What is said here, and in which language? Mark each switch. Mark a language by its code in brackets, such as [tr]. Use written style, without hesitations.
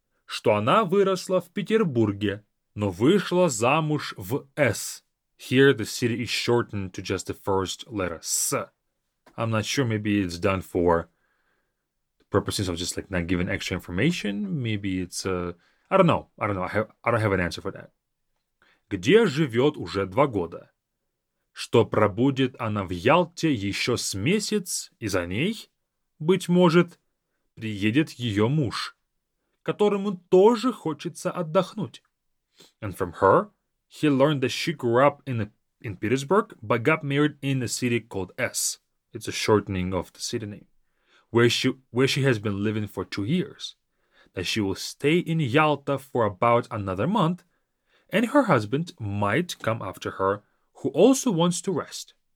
[ru] что она выросла в Петербурге, но вышла замуж в С. [en] Here the city is shortened to just the first letter, С. I'm not sure, maybe it's done for purposes of just like not giving extra information. Maybe it's, I don't know. I don't have an answer for that. [ru] Где живет уже 2 года? Что пробудет она в Ялте еще с месяц, и за ней, быть может, приедет ее муж, которому тоже хочется отдохнуть. [en] And from her, he learned that she grew up in Petersburg, but got married in a city called S. It's a shortening of the city name. Where she has been living for 2 years. That she will stay in Yalta for about another month, and her husband might come after her, who also wants to rest.